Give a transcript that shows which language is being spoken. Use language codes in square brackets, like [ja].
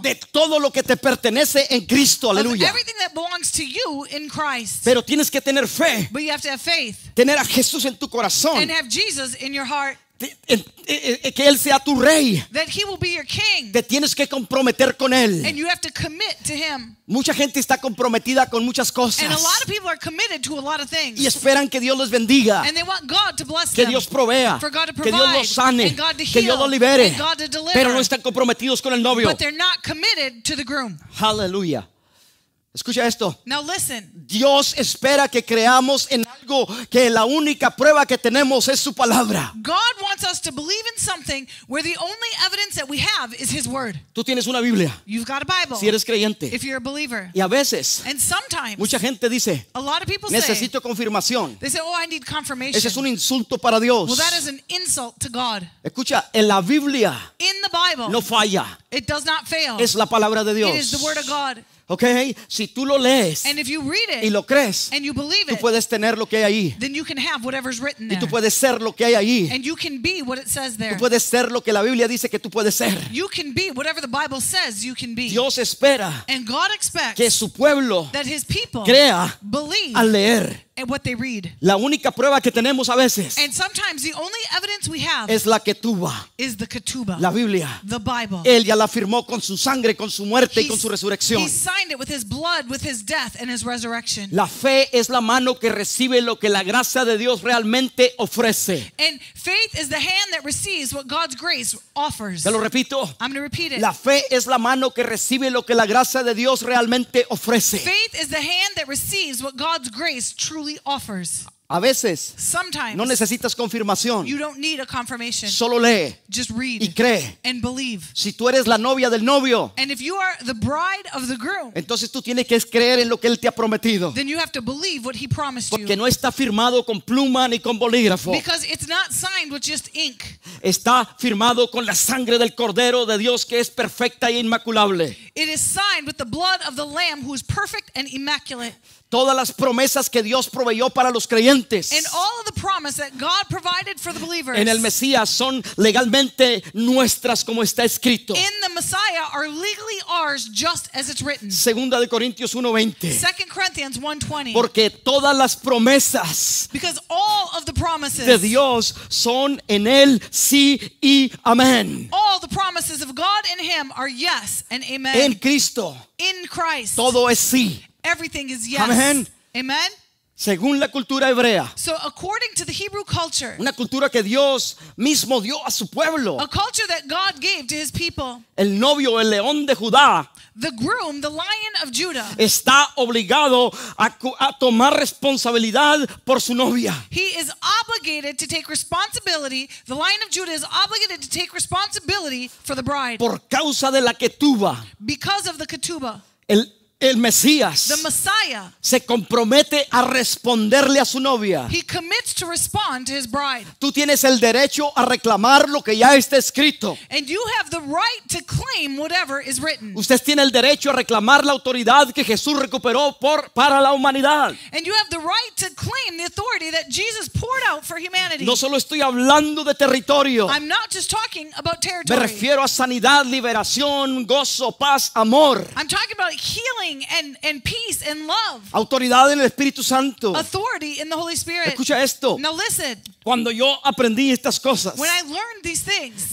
[es] de todo lo que te pertenece en Cristo. Aleluya. [en] Of everything that belongs to you in Christ. [es] Pero tienes que tener fe, [en] but you have to have faith, [es] tener a Jesús en tu corazón, [en] and have Jesus in your heart. [es] Que Él sea tu rey. [en] That he will be your king. [es] Te tienes que comprometer con Él. [en] And you have to commit to him. [es] Mucha gente está comprometida con muchas cosas. [en] And a lot of people are committed to a lot of things. [es] Y esperan que Dios les bendiga. [en] And they want God to bless [es] que [en] them. [es] Dios provea. [en] For God to provide. [es] Que Dios los sane. [en] And God to heal. [es] Que Dios los libere. [en] And God to deliver. [es] Pero no están comprometidos con el novio. [en] But they're not committed to the groom. [es] Hallelujah. Escucha esto. [en] Now listen. [es] Dios espera que creamos en algo que la única prueba que tenemos es su palabra. [en] God wants us to believe in something where the only evidence that we have is his word. [es] Tú tienes una Biblia. [en] You've got a Bible. [es] Si eres creyente. [en] If you're a believer. [es] Y a veces. [en] And sometimes. [es] Mucha gente dice. [en] A lot of people say. [es] Necesito confirmación. [en] They say, oh, I need confirmation. [es] Ese es un insulto para Dios. [en] Well, that is an insult to God. [es] Escucha, en la Biblia. [en] In the Bible. [es] No falla. [en] It does not fail. [es] Es la palabra de Dios. [en] It is the word of God. [es] Okay, si tú lo lees, [en] and if you read it, [es] y lo crees, [en] and you believe it, [es] tú puedes tener lo que hay ahí, [en] then you can have whatever's written there. [es] Y tú puedes ser lo que hay ahí, [en] and you can be what it says there. [es] Tú puedes ser lo que la Biblia dice que tú puedes ser. [en] You can be whatever the Bible says you can be. [es] Dios espera, [en] and God expects, [es] que su pueblo, [en] that his people, [es] crea, [en] believe, [es] al leer, [en] and what they read. [es] La única prueba que tenemos a veces, [en] and sometimes the only evidence we have, [es] es la ketuba, [en] is the ketuba, [es] la Biblia, [en] the Bible. [es] Él ya la firmó con su sangre, con su muerte, y con su resurrección. [en] He signed it with his blood, with his death and his resurrection. [es] La fe es la mano que recibe lo que la gracia de Dios realmente ofrece. [en] And faith is the hand that receives what God's grace offers. [es] Te lo repito. [en] I'm going to repeat it. [es] La fe es la mano que recibe lo que la gracia de Dios realmente ofrece. [en] Faith is the hand that receives what God's grace truly offers. [es] A veces, [en] sometimes, [es] no necesitas confirmación. [en] You don't need a confirmation. [es] Solo lee. [en] Just read. [es] Y cree. [en] And believe. [es] Si tú eres la novia del novio, [en] and if you are the bride of the groom, [es] entonces tú tienes que creer en lo que él te ha prometido. [en] Then you have to believe what he promised [es] porque No está firmado con pluma ni con bolígrafo. [en] Because it's not signed with just ink. [es] Está firmado con la sangre del Cordero de Dios que es perfecta e inmaculable. [en] It is signed with the blood of the Lamb who is perfect and immaculate. [es] Todas las promesas que Dios proveyó para los creyentes. creyentes [en] and all of the promise that God provided for the believers [es] en el Mesías son legalmente nuestras como está escrito [en] in the Messiah are legally ours just as it's written. [es] Segunda de Corintios 1:20. [en] 2 Corinthians 1:20. [es] Porque todas las promesas [en] because all of the promises [es] de Dios son en él sí y amén. [en] All the promises of God in him are yes and amen. [es] En Cristo [en] in Christ [es] todo es sí. [en] Everything is yes. Amen. Amen. [es] Según la cultura hebrea. [en] So according to the Hebrew culture. [es] Una cultura que Dios mismo dio a su pueblo. [en] A culture that God gave to his people. [es] El novio, el león de Judá. [en] The groom, the lion of Judah. [es] Está obligado a tomar responsabilidad por su novia. [en] He is obligated to take responsibility. The lion of Judah is obligated to take responsibility for the bride. [es] Por causa de la ketuba. [en] Because of the ketuba. [es] El Mesías [en] the Messiah, [es] se compromete a responderle a su novia. [en] He commits to respond to his bride. [es] Tú tienes el derecho a reclamar lo que ya está escrito. [en] And you have the right to claim whatever is written. [es] Usted tiene el derecho a reclamar la autoridad que Jesús recuperó para la humanidad. [en] And you have the right to claim the authority that Jesus poured out for humanity. [es] No solo estoy hablando de territorio. [en] I'm not just talking about territory. [es] Me refiero a sanidad, liberación, gozo, paz, amor. [en] I'm talking about healing. And peace and love. [es] Autoridad en el Espíritu Santo. [en] Authority in the Holy Spirit. [es] Escucha esto. [en] Now listen. [es] Cuando yo aprendí estas cosas, [en] when I learned these things,